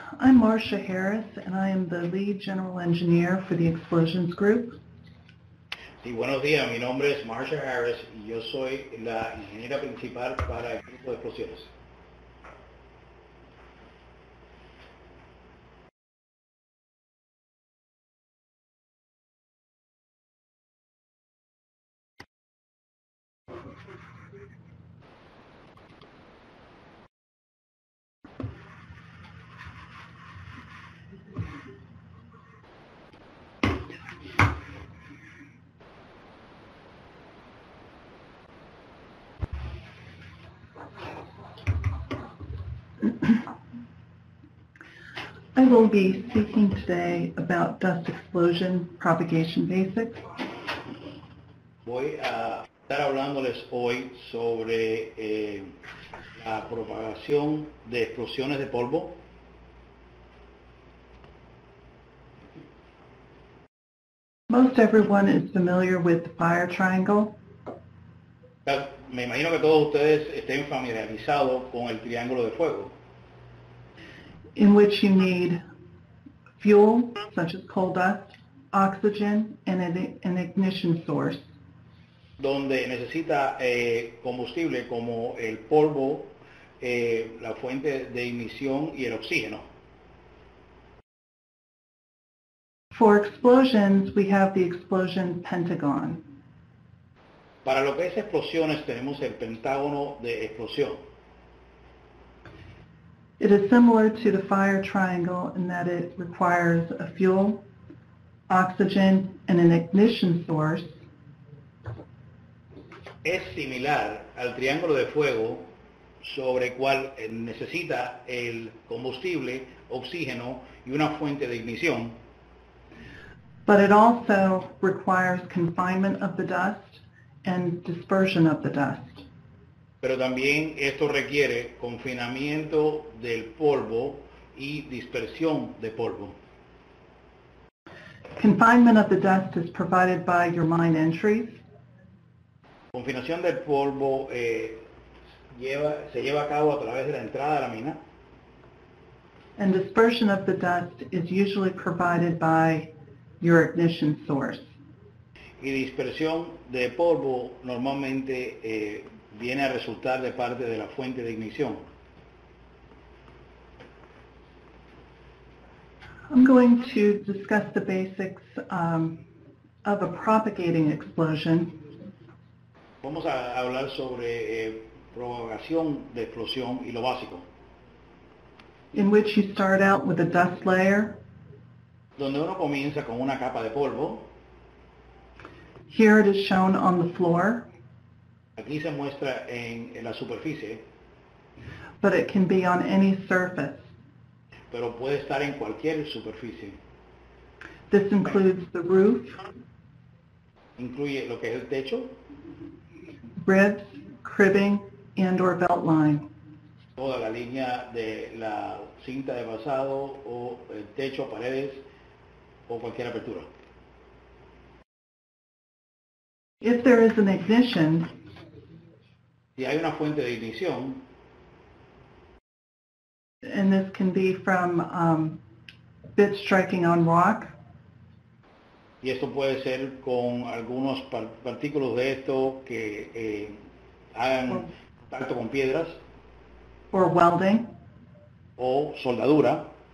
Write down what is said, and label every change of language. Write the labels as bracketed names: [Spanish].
[English] I'm Marcia Harris, and I am the lead general engineer for the explosions group. [Spanish] Sí, buenos días. Mi nombre es Marcia Harris, y yo soy la ingeniera principal para el grupo de explosiones. [English] I will be speaking today about dust explosion propagation basics. [Spanish] Voy a estar hablándoles hoy sobre la propagación de explosiones de polvo. [English] Most everyone is familiar with the fire triangle. [Spanish] Me imagino que todos ustedes estén familiarizados con el triángulo de fuego. [English] In which you need fuel, such as coal dust, oxygen, and an ignition source. [Spanish] Donde necesita combustible como el polvo, la fuente de ignición y el oxígeno. [English] For explosions, we have the explosion pentagon. [Spanish] Para lo que es explosiones, tenemos el pentágono de explosión. [English] It is similar to the fire triangle in that it requires a fuel, oxygen, and an ignition source. [Spanish] Es similar al triángulo de fuego sobre el cual necesita el combustible, oxígeno, y una fuente de ignición. [English] But it also requires confinement of the dust and dispersion of the dust. [Spanish] Pero también esto requiere confinamiento del polvo y dispersión de polvo. [English] Confinement of the dust is provided by your mine entries. [Spanish] Confinación del polvo se lleva a cabo a través de la entrada de la mina. [English] And dispersion of the dust is usually provided by your ignition source. [Spanish] Y dispersión de polvo normalmente viene a resultar de parte de la fuente de ignición. [English] I'm going to discuss the basics of a propagating explosion. [Spanish] Vamos a hablar sobre propagación de explosión y lo básico. [English] In which you start out with a dust layer. [Spanish] Donde uno comienza con una capa de polvo. [English] Here it is shown on the floor. [Spanish] Aquí se muestra en la superficie. [English] But it can be on any surface. [Spanish] Pero puede estar en cualquier superficie. [English] This includes the roof. [Spanish] Incluye lo que es el techo. [English] Ribs, cribbing, and or belt line. [Spanish] Toda la línea de la cinta de basado o el techo, paredes, o cualquier apertura. [English] If there is an ignition, [Spanish] si hay una fuente de ignición, [English] and this can be from bits striking on rock, [Spanish] y esto puede ser con algunos partículos de esto que hagan contacto con piedras, [English] or welding, [Spanish] o soldadura,